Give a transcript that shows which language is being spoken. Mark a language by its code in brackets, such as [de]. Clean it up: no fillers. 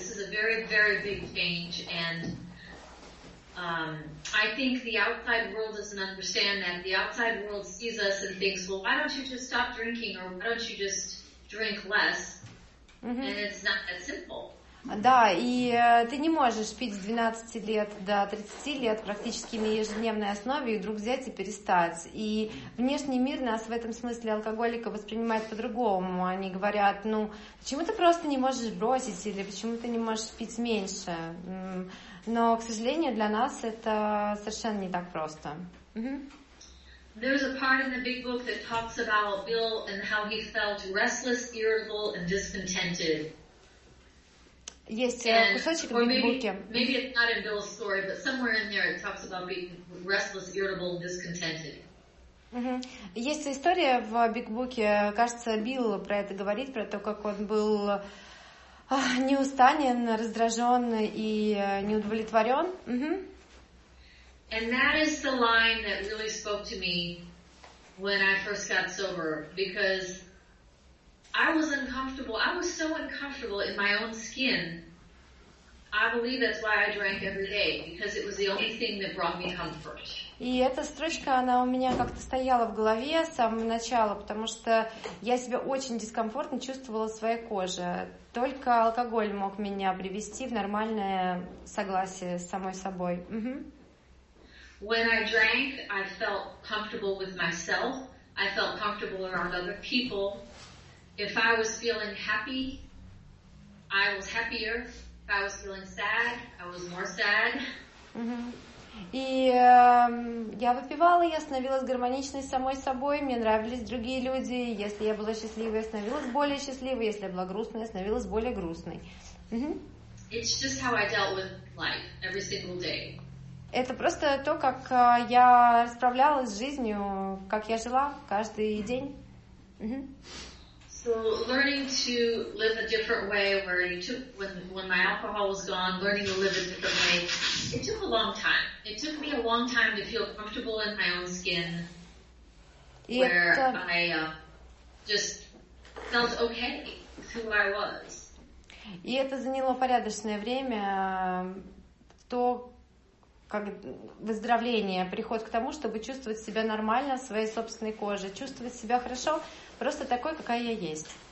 [en] This is a very, very big change, and I think the outside world doesn't understand that. The outside world sees us and thinks, well, why don't you just stop drinking, or why don't you just drink less? Mm-hmm. And it's not that simple. [ru] Да, и ты не можешь пить с 12 лет до 30 лет практически на ежедневной основе и вдруг взять и перестать. И внешний мир нас в этом смысле алкоголика воспринимает по-другому. Они говорят, ну, почему ты просто не можешь бросить или почему ты не можешь пить меньше? Но, к сожалению, для нас это совершенно не так просто. [en] There's a part in the big book that talks about Bill and how he felt restless, irritable and discontented. [ru] Есть кусочек в Библии. [en] Maybe it's not in Bill's story, but somewhere in there it talks about being restless, irritable, discontented. Mm-hmm. [ru] Есть история в Big Book, кажется, Билл про это говорит, про то, как он был неустанен, раздражен и неудовлетворен. Mm-hmm. [en] And that is the line that really spoke to me when I first got sober, because I was uncomfortable. I was so uncomfortable in my own skin. I believe that's why I drank every day, because it was the only thing that brought me comfort. [ru] И эта строчка, она у меня как-то стояла в голове с самого начала, потому что я себя очень дискомфортно чувствовала в своей коже. Только алкоголь мог меня привести в нормальное согласие с самой собой. Угу. [en] When I drank, I felt comfortable with myself. I felt comfortable around other people. If I was feeling happy, I was happier. If I was feeling sad, I was more sad. Mm-hmm. [ru] И я выпивала, я становилась гармоничной с самой собой, мне нравились другие люди. Если я была счастливой, я становилась более счастливой. Если я была грустной, я становилась более грустной. Mm-hmm. [en] It's just how I dealt with life every single day. [ru] Это просто то, как я справлялась с жизнью, как я жила каждый день. Mm-hmm. [en] So learning to live a different way, where you took when my alcohol was gone, learning to live a different way, it took a long time. It took me a long time to feel comfortable in my own skin, where I just felt okay with who I was. [ru] И это заняло порядочное время, то как выздоровление, приход к тому, чтобы чувствовать себя нормально в своей собственной коже, чувствовать себя хорошо, просто такой, какая я есть.